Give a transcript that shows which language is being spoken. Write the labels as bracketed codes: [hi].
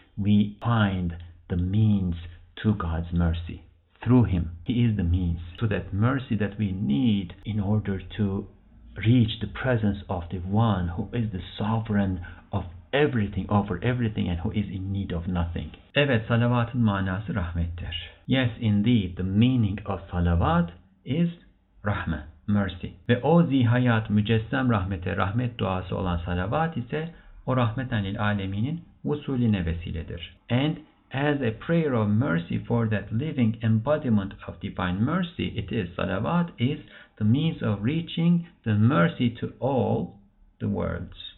[en] We find the means to God's mercy. Through him, he is the means to that mercy that we need in order to reach the presence of the one who is the sovereign of everything, over everything, and who is in need of nothing. [tr] Evet, salavatın manası rahmettir. [en] Yes, indeed, the meaning of salavat is rahme, mercy. [tr] Ve o zihayat mücessem rahmete, rahmet duası olan salavat ise o rahmeten lil aleminin vusuline vesiledir. [en] And as a prayer of mercy for that living embodiment of divine mercy, it is salavat is the means of reaching the mercy to all the worlds.